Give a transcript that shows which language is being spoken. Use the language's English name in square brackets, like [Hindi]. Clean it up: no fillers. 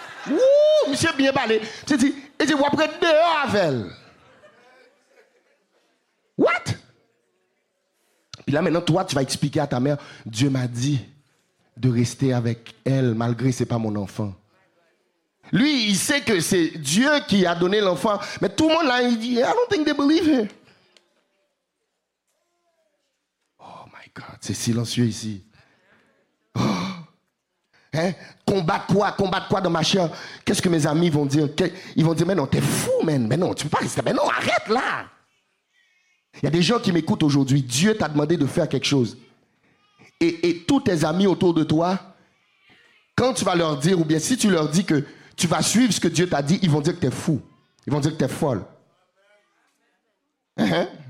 [French] Ouh, monsieur bien parlé. Tu dis, il dit, ou après dehors avec elle. What? Puis là maintenant, toi, tu vas expliquer à ta mère, Dieu m'a dit de rester avec elle, malgré que ce n'est pas mon enfant. Lui, il sait que c'est Dieu qui a donné l'enfant. Mais tout le monde là, il dit, [English] I don't think they believe him. Oh my God, [French] c'est silencieux ici. Oh. Hein? Combattre quoi dans ma chair? Qu'est-ce que mes amis vont dire? Ils vont dire, mais non, t'es fou, man. Mais non, tu peux pas rester. Mais non, arrête là. Il y a des gens qui m'écoutent aujourd'hui. Dieu t'a demandé de faire quelque chose. Et tous tes amis autour de toi, quand tu vas leur dire, ou bien si tu leur dis que tu vas suivre ce que Dieu t'a dit, ils vont dire que tu es fou. Ils vont dire que tu es folle. Hein?